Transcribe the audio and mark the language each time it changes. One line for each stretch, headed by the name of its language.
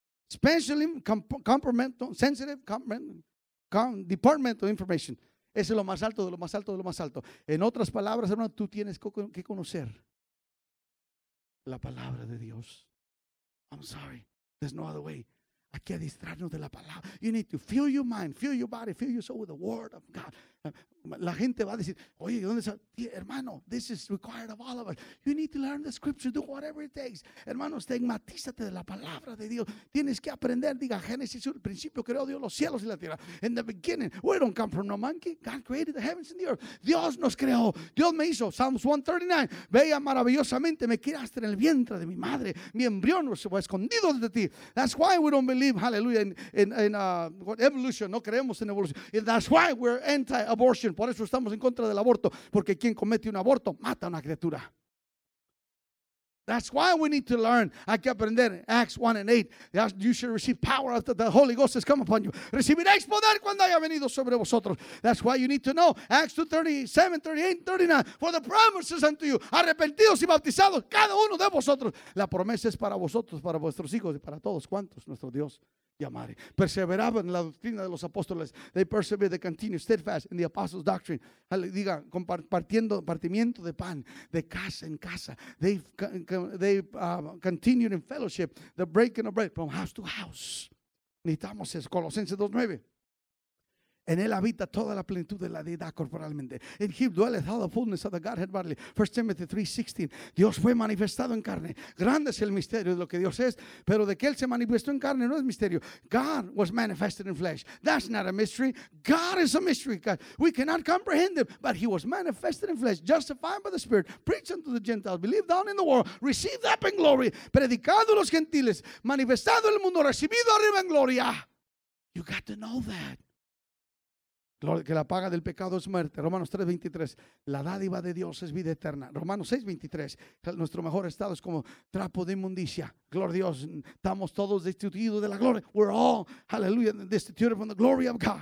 English: Especially sensitive department of information.
Spanish: Ese es lo más alto de lo más alto de lo más alto. En otras palabras, hermano, tú tienes que conocer la palabra de Dios.
English: I'm sorry, there's no other way.
Spanish: Aquí a distraernos de la palabra.
English: You need to fill your mind, fill your body, fill your soul with the word of God.
Spanish: La gente va a decir, oye, ¿dónde está?
English: Yeah, hermano, this is required of all of us. You need to learn the scripture, do whatever it takes.
Spanish: Hermano, estigmatízate de la palabra de Dios. Tienes que aprender, diga Génesis, el principio creó Dios los cielos y la tierra.
English: In the beginning, we don't come from no monkey. God created the heavens and the earth.
Spanish: Dios nos creó, Dios me hizo. Psalms 139, veía maravillosamente, me criaste en el vientre de mi madre. Mi embrión fue escondido desde ti.
English: That's why we don't believe, hallelujah, in evolution.
Spanish: No creemos en evolución.
English: And that's why we're anti-abortion.
Spanish: Por eso estamos en contra del aborto. Porque quien comete un aborto mata a una criatura.
English: That's why we need to learn.
Spanish: Hay que aprender
English: Acts 1 and 8. You should receive power after the Holy Ghost has come upon you.
Spanish: Recibiréis poder cuando haya venido sobre vosotros.
English: That's why you need to know. Acts 2, 37, 38, 39. For the promises unto you.
Spanish: Arrepentidos y bautizados, cada uno de vosotros. La promesa es para vosotros, para vuestros hijos y para todos cuantos nuestro Dios llamare. Perseveraban en la doctrina de los apóstoles.
English: They persevered, they continued steadfast in the apostles' doctrine.
Spanish: Diga, compartiendo, partimiento de pan, de casa en casa.
English: They continued in fellowship, the breaking of bread from house to house.
Spanish: Necesitamos eso. Colosenses 2:9. En él habita toda la plenitud de la deidad corporalmente.
English: In him dwelleth all the fullness of the Godhead bodily.
Spanish: 1 Timothy 3:16. Dios fue manifestado en carne. Grande es el misterio de lo que Dios es, pero de que él se manifestó en carne no es misterio.
English: God was manifested in flesh. That's not a mystery. God is a mystery. God, we cannot comprehend him, but he was manifested in flesh, justified by the Spirit, preached unto the Gentiles, believed on in the world, received up in glory,
Spanish: predicado a los gentiles, manifestado en el mundo, recibido arriba en gloria.
English: You got to know that.
Spanish: Que la paga del pecado es muerte. Romanos 3:23. La dádiva de Dios es vida eterna. Romanos 6:23. Nuestro mejor estado es como trapo de inmundicia. Gloria a Dios. Estamos todos destituidos de la gloria.
English: We're all, hallelujah, destituted from the glory of God.